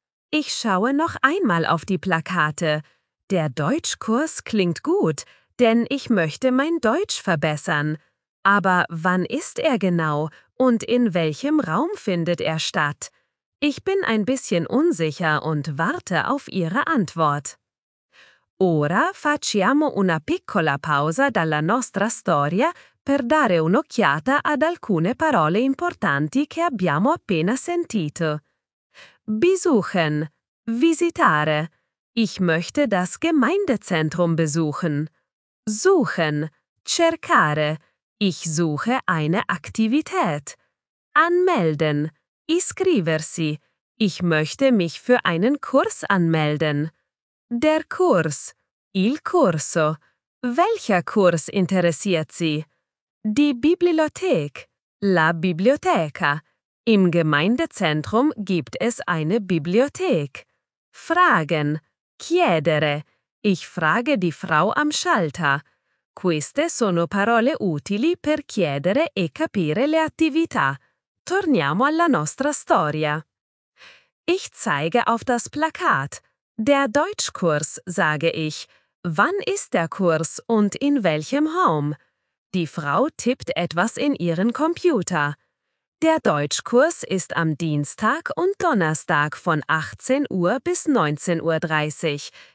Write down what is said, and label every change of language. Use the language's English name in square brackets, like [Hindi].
[German] Ich schaue noch einmal auf die Plakate. Der Deutschkurs klingt gut, denn ich möchte mein Deutsch verbessern. Aber wann ist er genau und in welchem Raum findet er statt? Ich bin ein bisschen unsicher und warte auf Ihre Antwort. [Italian] Ora facciamo una piccola pausa dalla nostra storia per dare un'occhiata ad alcune parole importanti che abbiamo appena sentito. [German] Besuchen, visitare. Ich möchte das Gemeindezentrum besuchen. Suchen, cercare. Ich suche eine Aktivität. Anmelden, iscriversi. Ich möchte mich für einen Kurs anmelden. Der Kurs, il corso. Welcher Kurs interessiert Sie? Die Bibliothek, la biblioteca. Im Gemeindezentrum gibt es eine Bibliothek. Fragen, chiedere. Ich frage die Frau am Schalter. [Italian] Queste sono parole utili per chiedere e capire le attività. Torniamo alla nostra storia. [German] Ich zeige auf das Plakat. Der Deutschkurs, sage ich. Wann ist der Kurs und in welchem Raum? Die Frau tippt etwas in ihren Computer. Der Deutschkurs ist am Dienstag und Donnerstag von 18 Uhr bis 19.30 Uhr.